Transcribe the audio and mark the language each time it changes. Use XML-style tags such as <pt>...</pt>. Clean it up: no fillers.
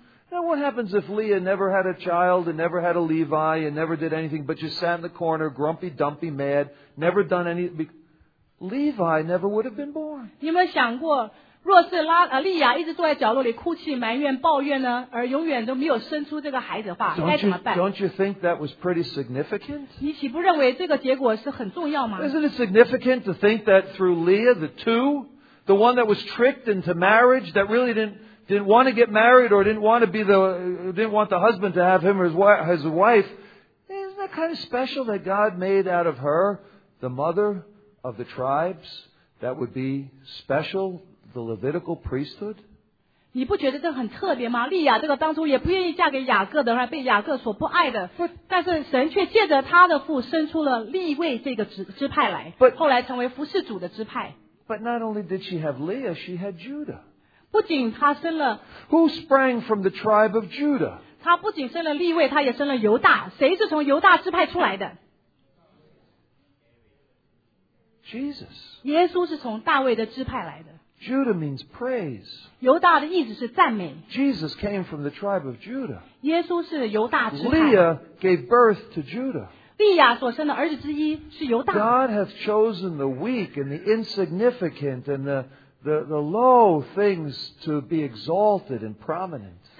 <en>Now what happens if Leah never had a child and never had a Levi and never did anything but just sat in the corner grumpy, dumpy, mad, never done anything? Levi never would have been born.</en> <zh>你有没有想过, 若是利亚一直坐在角落里哭泣埋怨抱怨呢, 而永远都没有生出这个孩子的话,</zh> <en>don't you think that was pretty significant?</en> <zh>你岂不认为这个结果是很重要吗?</zh> <en>Isn't it significant to think that through Leah, the two, the one that was tricked into marriage, that really didn't want to get married or didn't want the husband to have him or his wife, isn't that kind of special that God made out of her the mother of the tribes that would be special, the Levitical priesthood?</en> <zh>你不觉得这很特别吗? 利亚这个当初也不愿意嫁给雅各的,被雅各所不爱的,</zh> <en>but,</en> <zh>但是神却借着他的父生出了利位这个支派来,</zh> <en>but,</en> <zh>后来成为服侍主的支派。</zh> <en>But not only did she have Leah, she had Judah.</en> <zh>不仅他生了,</zh> <en>Who sprang from the tribe of Judah?</en> <zh>他不仅生了利位, 他也生了犹大, 谁是从犹大支派出来的?</zh> <en>Jesus.</en> <zh>耶稣是从大卫的支派来的。</zh> <en>Judah means praise.</en> <zh>犹大的意思是赞美。</zh> <en>Jesus came from the tribe of Judah.</en> <zh>耶稣是犹大支派。</zh> <en>Leah gave birth to Judah.</en> <zh>利亚所生的儿子之一是犹大。</zh> <en>God has chosen the weak and the insignificant and the low things to be exalted and prominent.</en>